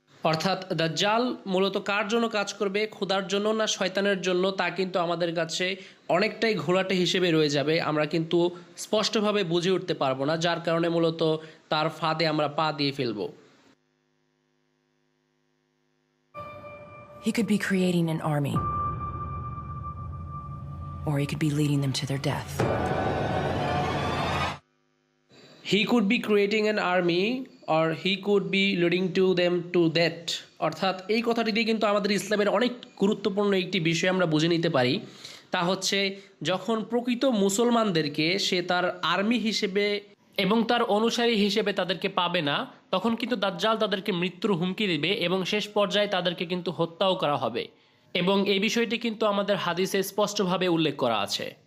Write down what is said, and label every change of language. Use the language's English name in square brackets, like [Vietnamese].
[Bangla] অর্থাৎ দাজ্জাল মূলত কার জন্য কাজ করবে, খোদার জন্য না শয়তানের জন্য, তা কিন্তু আমাদের কাছে অনেকটাই ঘোলাটে হিসেবে রয়ে যাবে। আমরা কিন্তু স্পষ্টভাবে বুঝে উঠতে পারবো না, যার কারণে মূলত তার ফাঁদে আমরা পা দিয়ে ফেলব। [English] He could be creating an army, or he could be leading them to their death. He could be creating an army, or he could be leading to them to death. [Bangla] অর্থাৎ এই কথাটি দিয়ে কিন্তু আমাদের ইসলামের অনেক গুরুত্বপূর্ণ একটি বিষয় আমরা বুঝে নিতে পারি, তা হচ্ছে যখন প্রকৃত মুসলমানদেরকে সে তার আর্মি হিসেবে এবং তার অনুসারী হিসেবে তাদেরকে পাবে না, তখন কিন্তু দাজ্জাল তাদেরকে মৃত্যুর হুমকি দেবে এবং শেষ পর্যায়ে তাদেরকে কিন্তু হত্যাও করা হবে, এবং এই বিষয়টি কিন্তু আমাদের হাদিসে স্পষ্টভাবে উল্লেখ করা আছে।